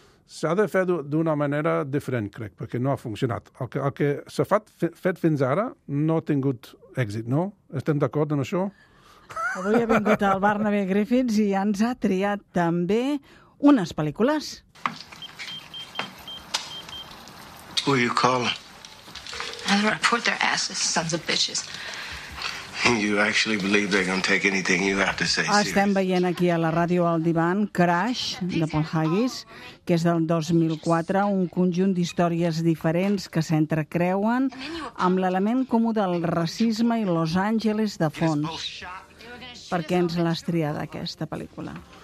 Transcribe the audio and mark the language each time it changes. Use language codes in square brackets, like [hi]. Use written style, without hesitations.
[ca] s'ha de fer d'una manera diferent, crec, perquè no ha funcionat. El que s'ha fet fins ara no ha tingut èxit, no? Estem d'acord amb això? Avui ha vingut el Barnaby Griffiths i ens ha triat també unes pel·lícules. [en] Who you call? I'm gonna put their asses, sons of bitches. You actually believe they're gonna take anything you have to say? [ca] Estem veient aquí a la ràdio al divan Crash, de Paul Haggis, que és del 2004, un conjunt d'històries diferents que s'entrecreuen amb l'element comú del racisme i Los Angeles de fons. Per què ens l'has triat, aquesta pel·lícula?